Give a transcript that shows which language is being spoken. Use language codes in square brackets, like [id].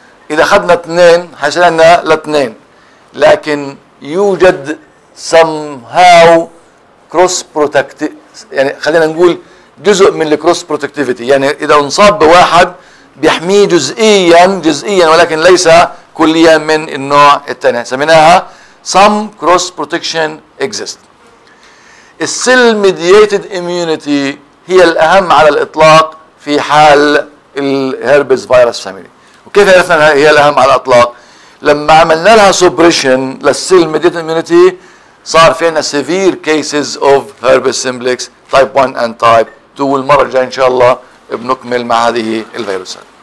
[ar] اذا اخذنا اثنين حيصير عندنا لاثنين. لكن يوجد سم هاو كروس بروتكتيف، يعني خلينا نقول جزء من الكروس بروتكتيفيتي، يعني اذا انصاب بواحد بيحميه جزئيا ولكن ليس كليا من النوع الثاني. سميناها [en] some cross protection exist. [ar] السيل mediated immunity هي الأهم على الإطلاق في حال الهربس فيروس فاميلي. وكيف عرفنا هي الأهم على الإطلاق؟ لما عملنا لها suppression للسيل mediated immunity صار فينا [en] severe cases of herpes simplex type 1 and type 2. [ar] والمرة الجاية إن شاء الله بنكمل مع هذه الفيروسات.